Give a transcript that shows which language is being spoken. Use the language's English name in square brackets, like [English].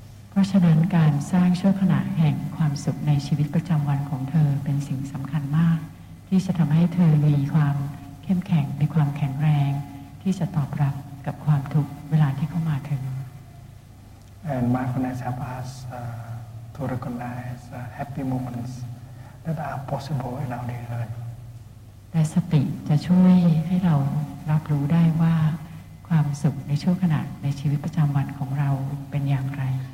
[Thai] เพราะฉะนั้นการสร้างชั่วขณะแห่งความสุขในชีวิตประจำวันของเธอเป็นสิ่งสำคัญมากที่จะทำให้เธอมีความเข้มแข็งมีความแข็งแรงที่จะตอบรับกับความทุกข์เวลาที่เข้ามาถึง [English] And mindfulness help us to recognize happy moments that are possible in our daily life [Thai] และสติจะช่วยให้เรารับรู้ได้ว่าความสุขในชั่วขณะในชีวิตประจำวันของเราเป็นอย่างไร